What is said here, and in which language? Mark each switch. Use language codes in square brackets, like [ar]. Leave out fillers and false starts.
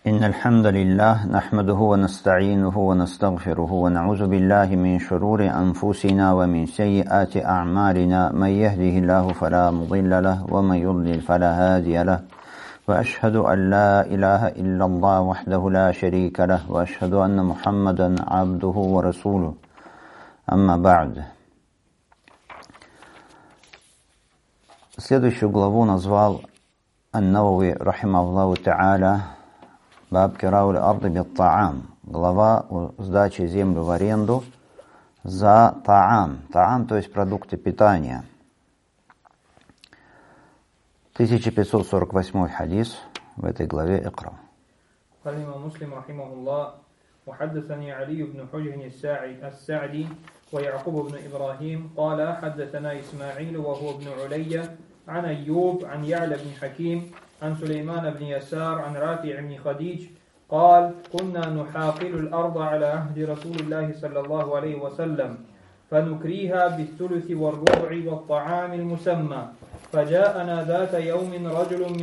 [ar] إن الحمد لله نحمده ونستعينه ونستغفره ونعوذ بالله من شرور أنفسنا ومن سيئات أعمالنا من يهده الله فلا مضل له ومن يضلل فلا هادي له وأشهد أن لا إله إلا الله وحده لا شريك له وأشهد أن محمدا عبده ورسوله أما بعد. [ru] Следующую главу назвал [ar] النووي رحمه الله تعالى باب كراء الأرض بالطعام. [ru] Глава о сдаче землю в аренду за таам. Таам, то есть продукты питания. 1548 хадис в этой главе اقرأ. [ar] قال الإمام مسلم رحمه الله وحدثني علي بن حجر السعدي ويعقوب بن إبراهيم قال حدثنا إسماعيل وهو ابن علي عن أيوب عن يعلى بن حكيم عن سليمان بن يسار عن رافع بن خديج قال كنا نحاقل الأرض على عهد رسول الله صلى الله عليه وسلم فنكريها بالثلث والربع والطعام المسمى فجاءنا ذات يوم رجل